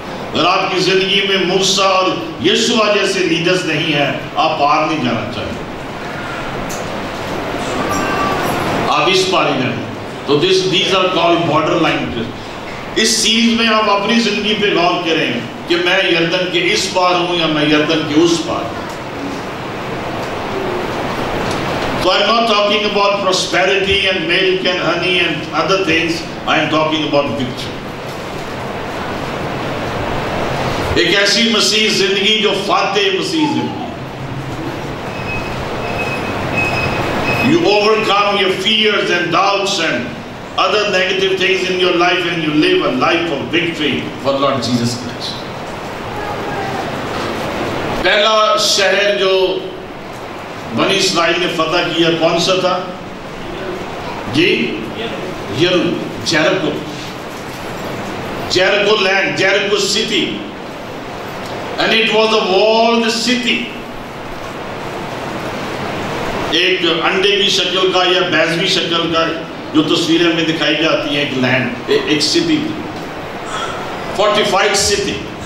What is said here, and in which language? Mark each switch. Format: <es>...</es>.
<hi>अगर आपकी जिंदगी में मूसा और यीशुआ जैसे लीडर्स नहीं है, आप पार नहीं जाना चाहते, आप इस पार ही जाना। तो</hi> <en>These are called border line.</en> <hi>इस सीज में आप अपनी जिंदगी पे गौर करें कि मैं यर्दन के इस पार हूं या मैं यर्दन के उस पार।</hi> <en>So I'm not talking about prosperity and milk and honey and other things. I'm talking about victory.</en> <hi>एक ऐसी मसीह जिंदगी जो फाते मसीह जिंदगी।</hi> <en>You overcome your fears and doubts and other negative things in your life and you live a life of victory for Lord Jesus Christ.</en> <hi>पहला शहर जो बनी Israel ने फतह किया कौन सा था? जी Jericho, Jericho land, Jericho city.</hi> <en>and it was a walled city,</en> <hi>एक अंडे की शक्ल का या बैजवी शक्ल का जो तस्वीरें में दिखाई जाती है, एक लैंड, एक सिटी, फोर्टिफाइड सिटी।</hi>